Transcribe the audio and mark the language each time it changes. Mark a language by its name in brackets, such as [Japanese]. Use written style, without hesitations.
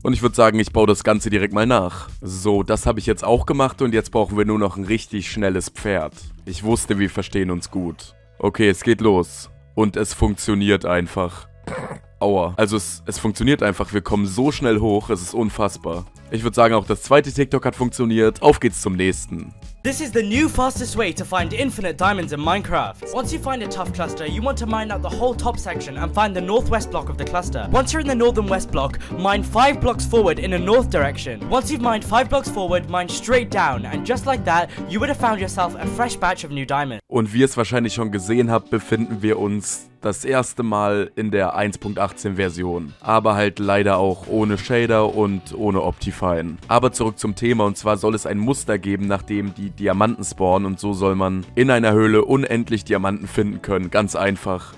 [German] Und ich würde sagen, ich baue das Ganze direkt mal nach. So, das habe ich jetzt auch gemacht und jetzt brauchen wir nur noch ein richtig schnelles Pferd. Ich wusste, wir verstehen uns gut. Okay, es geht los. Und es funktioniert einfach. Aua. Also es funktioniert einfach. Wir kommen so schnell hoch, es ist unfassbar. Ich würde sagen, auch das zweite TikTok hat funktioniert. Auf geht's zum nächsten. [English] This is the new fastest way to find infinite diamonds in Minecraft. Once you find a tough cluster, you want to mine out the whole top section and find the northwest block of the cluster. Once you're in the northern west block, mine 5 blocks forward in a north direction. Once you've mined 5 blocks forward, mine straight down and just like that, you would have found yourself a fresh batch of new diamonds. [German] Und wie ihr es wahrscheinlich schon gesehen habt, befinden wir uns das erste Mal in der 1.18 Version. Aber halt leider auch ohne Shader und ohne Optifine. Aber zurück zum Thema, und zwar soll es ein Muster geben, nachdem die Diamanten spawnen, und so soll man in einer Höhle unendlich Diamanten finden können, ganz einfach.